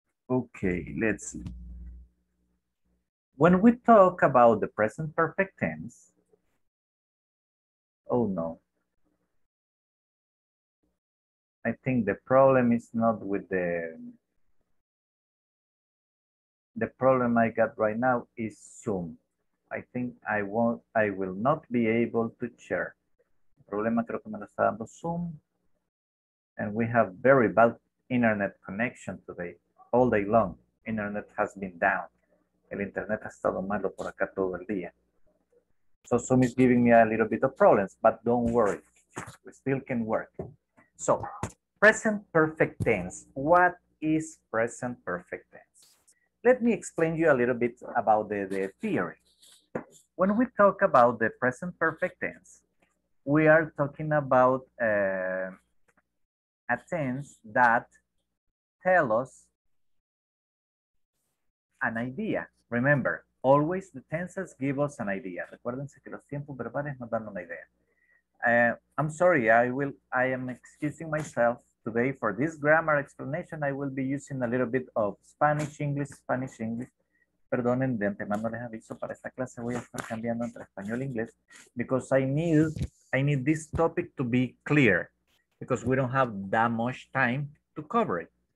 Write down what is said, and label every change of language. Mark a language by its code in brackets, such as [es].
[en] Okay, let's see. When we talk about the present perfect tense, oh no. I think the problem is not with the problem I got right now is Zoom. I think I will not be able to share. [es] Problema creo que me lo está dando Zoom. [en] And we have very bad internet connection today. All day long, internet has been down. [es] El internet ha estado malo por acá todo el día. [en] So Zoom is giving me a little bit of problems, but don't worry, we still can work. So present perfect tense, what is present perfect tense? Let me explain you a little bit about the theory. When we talk about the present perfect tense, we are talking about a tense that tells us an idea. Remember, always the tenses give us an idea. [es] Recuérdense que los tiempos verbales nos dan una idea. [en] I'm sorry, I am excusing myself today for this grammar explanation. I will be using a little bit of Spanish, English. [es] Perdonen, de antemano les aviso, para esta clase voy a estar cambiando entre español e inglés [en] because I need this topic to be clear because we don't have that much time to cover it.